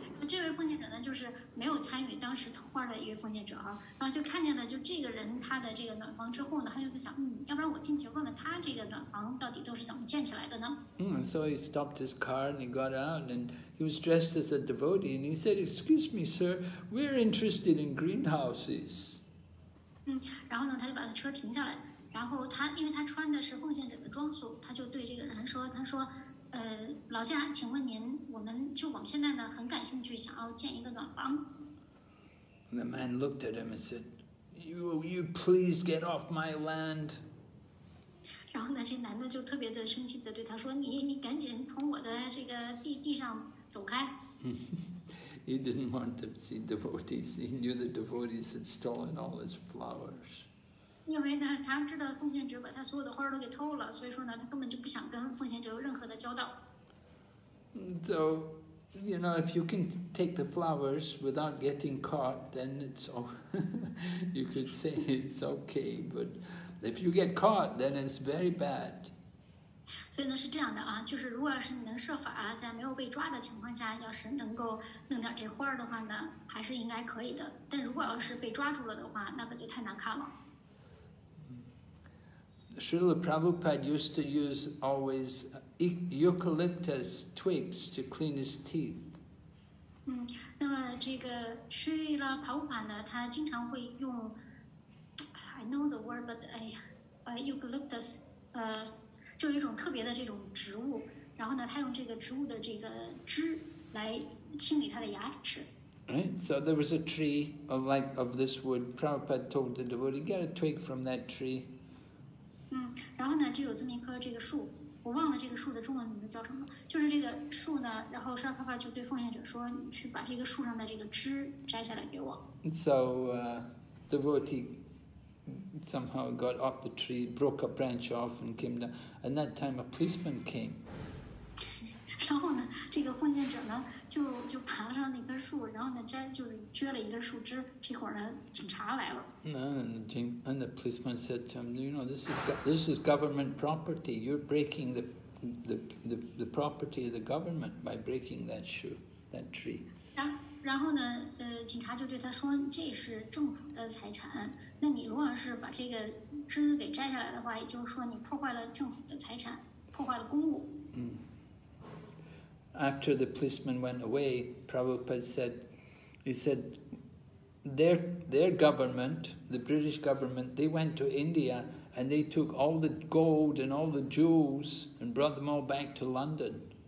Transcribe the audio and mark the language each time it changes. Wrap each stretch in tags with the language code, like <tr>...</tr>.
<zh>这位奉献者呢，就是没有参与当时偷花的一位奉献者哈，然后就看见了，就这个人他的这个暖房之后呢，他就在想，要不然我进去问问他这个暖房到底都是怎么建起来的呢？</zh> <en>So he stopped his car and he got out and he was dressed as a devotee and he said, "Excuse me, sir, we're interested in greenhouses."</en> <zh>然后呢，他就把他车停下来，然后他因为他穿的是奉献者的装束，他就对这个人说，他说。老家，请问您，我们现在呢很感兴趣，想要建一个暖房。</zh> <en>The man looked at him and said, "You please get off my land."</en> <zh>然后呢，这男的就特别的生气的对他说，你赶紧从我的这个地上走开。</zh> <en>He didn't want to see devotees. He knew the devotees had stolen all his flowers.</en> <zh>因为呢，他知道奉献者把他所有的花都给偷了，所以说呢，他根本就不想跟奉献者有任何的交道。</zh> <en>So, you know, if you can take the flowers without getting caught, then it's all, you could say it's okay. But if you get caught, then it's very bad.</en> <zh>所以呢，是这样的啊，就是如果要是你能设法在没有被抓的情况下，要是能够弄点这花的话呢，还是应该可以的。但如果要是被抓住了的话，那可就太难看了。</zh> <en>Srila Prabhupada used to use always eucalyptus twigs to clean his teeth.</en> <zh>那么这个 Srila Prabhupada 呢，他经常会用 ，</zh> <en>I know the word, but eucalyptus，</en> <zh>就一种特别的这种植物。然后呢，他用这个植物的这个枝来清理他的牙齿。</zh> <en>Right, so there was a tree of like of this wood. Prabhupada told the devotee, "Get a twig from that tree."</en> <zh>然后呢，就有这么一棵这个树，我忘了这个树的中文名字叫什么，就是这个树呢。然后沙发发就对奉献者说：“你去把这个树上的这个枝摘下来给我。”</zh> <en>So, devotee somehow got up the tree, broke a branch off, and came down. And that time, a policeman came.</en> <zh>然后呢，这个奉献者呢，就爬上那棵树，然后呢摘，就是撅了一根树枝。这会儿呢，警察来了。</zh> <en>And the policeman said to him, "You know, this is government property. You're breaking the property of the government by breaking that shoe, that tree."</en> <zh>然后呢，警察就对他说，这是政府的财产。那你如果是把这个枝给摘下来的话，也就是说你破坏了政府的财产，破坏了公物。</zh> <en>after the policeman went away, Prabhupada said, he said, their government, the British government, they went to India and they took all the gold and all the jewels and brought them all back to London.</en>